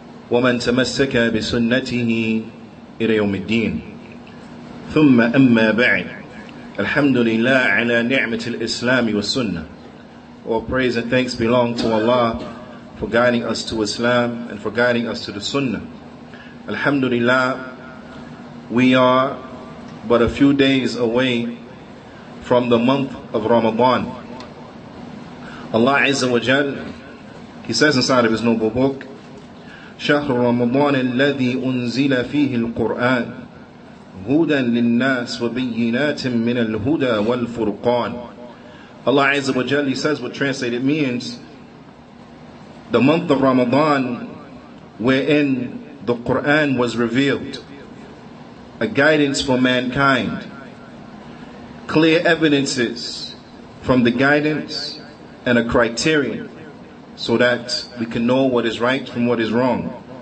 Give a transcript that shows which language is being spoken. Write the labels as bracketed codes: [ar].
[ar] ومن تمسك بسنته إلى يوم الدين ثم أما بعد الحمد لله على نعمة الإسلام والسنة [en] All praise and thanks belong to Allah for guiding us to Islam and for guiding us to the Sunnah. Alhamdulillah, we are but a few days away from the month of Ramadan. Allah Azza wa Jal, He says inside of His noble book, [ar] شهر رمضان الذي أنزل فيه القرآن هدى للناس وبينات من الهدى والفرقان. [en] Allah Azza wa Jal, He says what translated means, the month of Ramadan wherein the Quran was revealed, a guidance for mankind, clear evidences from the guidance and a criterion so that we can know what is right from what is wrong.